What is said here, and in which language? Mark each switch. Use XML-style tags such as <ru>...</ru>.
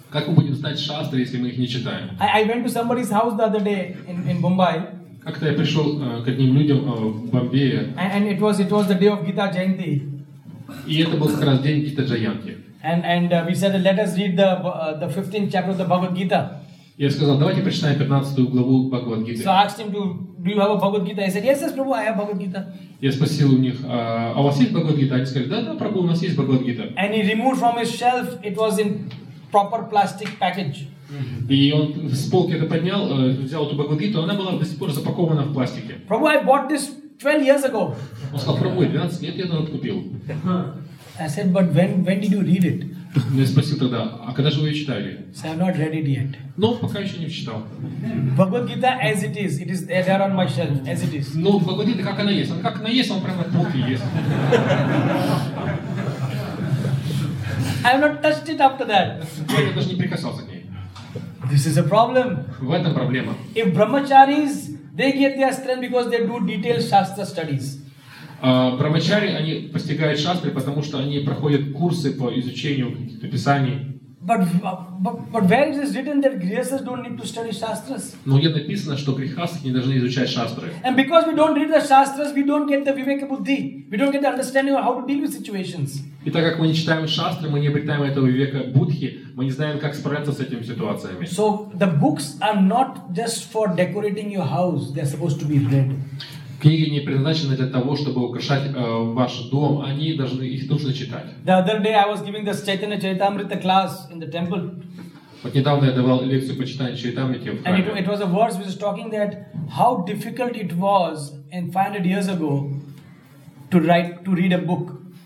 <ru>Как мы будем знать шастры, если мы их не читаем?</ru> <en>I went to somebody's house the other day in Mumbai.</en> <ru>Как-то я пришел к одним людям в Бомбее.</ru> <en>And it was the day of Gita Jayanti.</en> <ru>И это был как раз день Гита Джаянти.</ru> <en>And we said, let us read the 15th chapter of the Bhagavad Gita.</en> <ru>Я сказал, давайте прочитаем 15-ю главу Бхагавад Гиты.</ru> <en>So I asked him, do you have a Bhagavad Gita? He said, yes, Prabhu, I have Bhagavad Gita.</en> <ru>Я спросил у них, а у вас есть Бхагавад Гита? Они сказали, да, Прабху, у нас есть Бхагавад Гита.</ru> <en>And he removed from his shelf, it was in proper plastic package.</en> <ru>И он с полки это поднял, взял эту Бхагавад Гиту, она была до сих пор запакована в пластике.</ru> <en>Prabhu, I bought this 12 years ago.</en> <ru>Он сказал, Прабху, 12 лет я это купил.</ru> <en>I said, but when did you read it?</en> <ru>Я спросил тогда, а когда же вы ее читали?</ru> <en>So I've not read it yet.</en> <ru>Но пока еще не читал.</ru> <en>Bhagavad Gita as it is there on my shelf as it is.</en> <ru>Ну, Bhagavad Gita как она есть, он прямо на полке есть.</ru> <en>I've not touched it after that.</en> <ru>Я даже не прикасался к ней.</ru> <en>This is a problem.</en> <ru>В этом проблема.</ru> <en>If brahmacharis, they get their strength because they do detailed shastra studies.</en> <ru>Брамачари, они постигают шастры, потому что они проходят курсы по изучению каких-то писаний.</ru> <en>But where is it written that grihasthas don't need to study shastras?</en> <ru>Но где написано, что грихасты не должны изучать шастры?</ru> <en>And because we don't read the shastras, we don't get the viveka buddhi. We don't get the understanding of how to deal with situations.</en> <ru>И так как мы не читаем шастры, мы не обретаем этого виveka buddhi, мы не знаем, как справиться с этими ситуациями.</ru> <en>So the books are not just for decorating your house. They're supposed to be read.</en> <ru>Книги не предназначены для того, чтобы украшать ваш дом, они должны, их нужно читать.</ru> <en>The other day I was giving the Chaitanya Charitamrita class in the temple.</en> <ru>Вот недавно я давал лекцию по читанию Чайтамриты в храме.</ru> <en>And it was a verse which is talking that how difficult it was in 500 years ago to read a book.</en>